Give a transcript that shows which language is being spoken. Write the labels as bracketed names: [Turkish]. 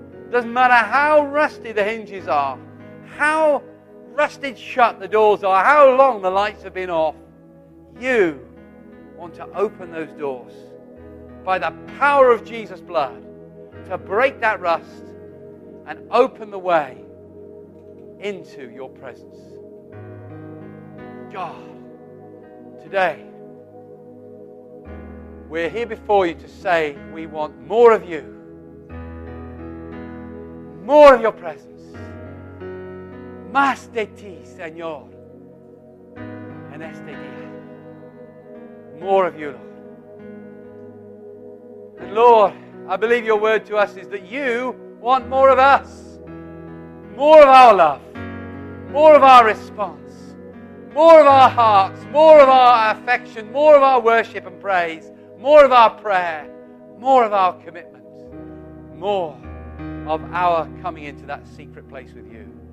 [English] Doesn't matter how rusty the hinges are, how rusted shut the doors are, how long the lights have been off, you want to open those doors by the power of Jesus' blood to break that rust and open the way into your presence. God, today we're here before you to say we want more of you, more of your presence. [Spanish] Más de ti, Señor, en este día. [English] More of you, Lord. And Lord, I believe your word to us is that you want more of us, more of our love, more of our response, more of our hearts, more of our affection, more of our worship and praise, more of our prayer, more of our commitment, more of our coming into that secret place with you.